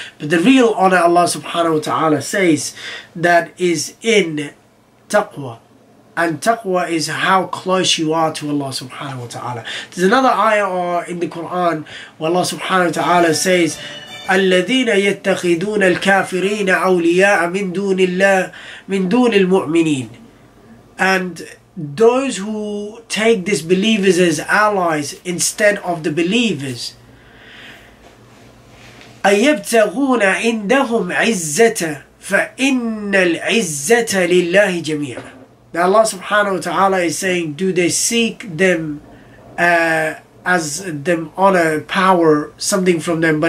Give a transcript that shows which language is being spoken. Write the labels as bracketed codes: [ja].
[en] But the real honor, Allah subhanahu wa ta'ala says, that is in taqwa. And taqwa is how close you are to Allah subhanahu wa ta'ala. There's another ayah in the Quran where Allah subhanahu wa ta'ala says, [ar] الذين يتخذون الكافرين أولياء من دون الله من دون المؤمنين. [en] And those who take disbelievers as allies instead of the believers. [ar] أيبتغون عندهم عزة فإن العزة لله جميعا. [en] Now Allah subhanahu wa ta'ala is saying, do they seek them as them honor, power, something from them?